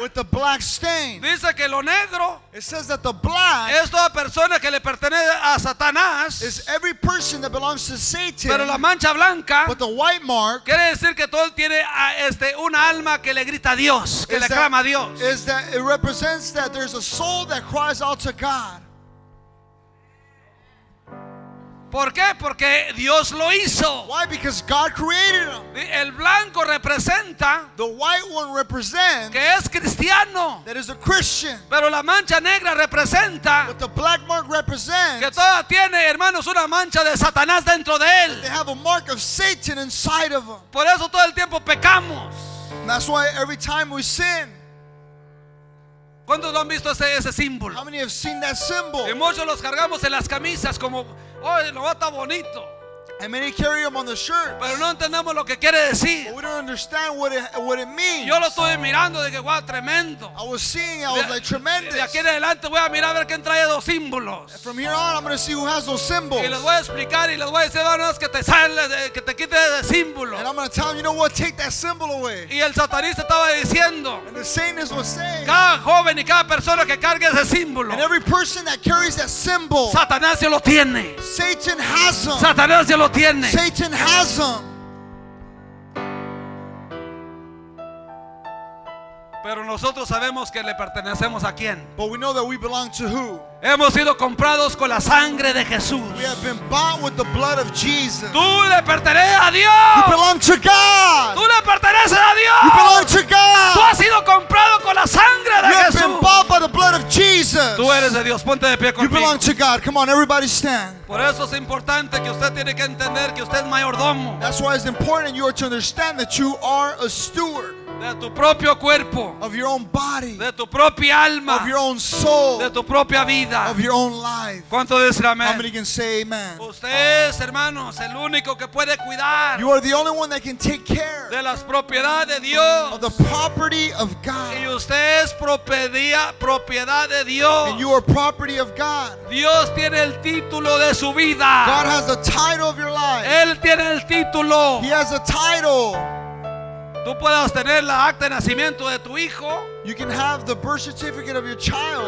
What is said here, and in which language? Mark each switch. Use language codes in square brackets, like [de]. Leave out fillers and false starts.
[en] With a black stain. [es] Dice que lo negro. [en] It says that the black. [es] Es toda persona que le pertenece a Satanás. [en] Is every person that belongs to Satan. [es] Pero la mancha blanca. [en] With the white mark. [es] Quiere decir que todo tiene un alma que le grita a Dios, que le clama a Dios. [en] Is that it represents that there's a soul that cries out to God. [es] ¿Por qué? Porque Dios lo hizo. [en] Why? Because God created him. [es] El blanco representa, [en] the white one represents, [es] que es cristiano, [en] that is a Christian. [es] Pero la mancha negra representa, [en] but the black mark represents, [es] que toda tiene, hermanos, una mancha de Satanás dentro de él. [en] They have a mark of Satan inside of them. [es] Por eso todo el tiempo pecamos. [en] And that's why every time we sin. [es] ¿Cuántos lo han visto ese símbolo? [en] How many have seen that symbol? [es] Y muchos los cargamos en las camisas como, oh, lo va a estar bonito. [en] And many carry them on the shirts. [es] Pero no entendemos lo que quiere decir. [en] But we don't understand what it means. [es] Yo lo estuve mirando de que, wow, tremendo. [en] I was seeing, I was like, tremendous. [es] De aquí en adelante voy a mirar a ver quién trae dos símbolos. [en] And from here on, I'm going to see who has those symbols. [es] Y les voy a explicar y les voy a decir, bueno, es que te sale, que te quite ese símbolo. [en] And I'm going to tell them, you know what, take that symbol away. [es] Y el satanista estaba diciendo. [en] And the Satanist was saying. [es] Cada joven y cada persona que cargue ese símbolo. [en] And every person that carries that symbol. [es] Satanás ya lo tiene. [en] Satan has them. [es] Satanás ya lo [en] Satan has them. [es] Pero nosotros sabemos que le pertenecemos a quién. [en] But we know that we belong to who. [es] Hemos sido comprados con la sangre de Jesús. [en] We have been bought with the blood of Jesus. [es] Tú le perteneces a Dios. [en] You belong to God. [es] Tú le perteneces a Dios. [en] You belong to God. [es] Tú has sido comprado con la sangre de [en] you [es] Jesús. [en] You have been bought by the blood of Jesus. [es] Tú eres de Dios. Ponte de pie conmigo. [en] You belong to God. Come on, everybody stand. [es] Por eso es importante que usted tiene que entender que usted es mayordomo. [en] That's why it's important you are to understand that you are a steward. [es] De tu propio cuerpo, [en] of your own body, [es] de tu propia alma, [en] of your own soul, [es] de tu propia vida, [en] of your own life. [es] ¿Cuánto dice amén? [en] How many can say amen? [es] Ustedes, hermanos, el único que puede cuidar. [en] You are the only one that can take care [es] de las propiedades de Dios. [en] Of the property of God. [es] Y usted es propiedad de Dios. [en] And you are property of God. [es] Dios tiene el título de su vida. [en] God has the title of your life. [es] Él tiene el título. [en] He has a title. [es] Tú puedas tener la acta de nacimiento de tu hijo. [en] You can have the birth certificate of your child.